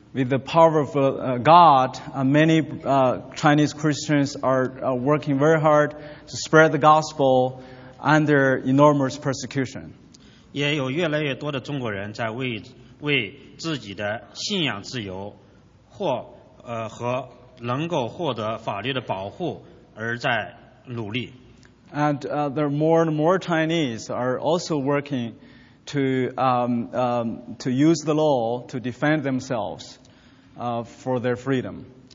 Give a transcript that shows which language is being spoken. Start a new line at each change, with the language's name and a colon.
English: With the power of God, many Chinese Christians are working very hard to spread the gospel under enormous persecution.
Chinese: 也有越来越多的中国人在为自己的信仰自由或能够获得法律的保护而在努力。
English: And there are more and more Chinese are also working to use the law to defend themselves for their freedom.